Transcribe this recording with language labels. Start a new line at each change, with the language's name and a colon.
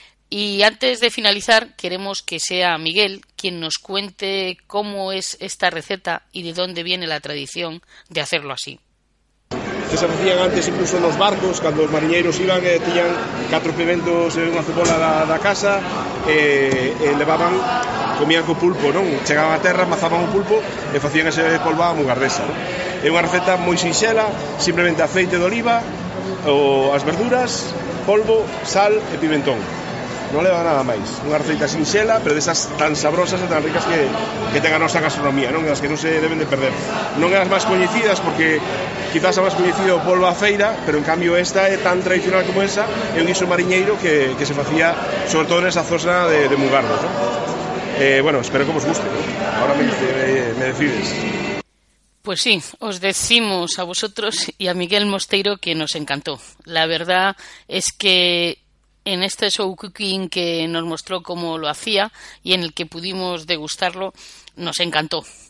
Spanish: Y antes de finalizar, queremos que sea Miguel quien nos cuente cómo es esta receta y de dónde viene la tradición de hacerlo así. Que se hacían antes incluso en los barcos, cuando los marineros iban, tenían cuatro pimentos en una
Galician: cebola da casa,
Spanish: elevaban, comían
Galician: co pulpo,
Spanish: ¿no?
Galician: Chegaban a terra, amazaban o pulpo e facían ese polvo a mugardesa, ¿no? É unha receta moi sinxela, simplemente aceite de oliva, as verduras, polvo, sal e pimentón. Non leva nada máis. Unha receita sinxela, pero desas tan sabrosas e tan ricas que ten a nosa gastronomía, non? As que non se deben de perder. Non é as máis coñecidas porque quizás a máis coñecida o polvo a feira, pero en cambio esta é tan tradicional como esa, é un guiso mariñeiro que se facía sobre todo nesa zona de Mugardos, non?
Spanish: Bueno, espero que os guste, ¿no? Ahora me decides. Pues sí, os decimos a vosotros y a Miguel Mosteiro que nos encantó. La verdad es que en este show cooking que nos mostró cómo lo hacía y en el que pudimos degustarlo, nos encantó.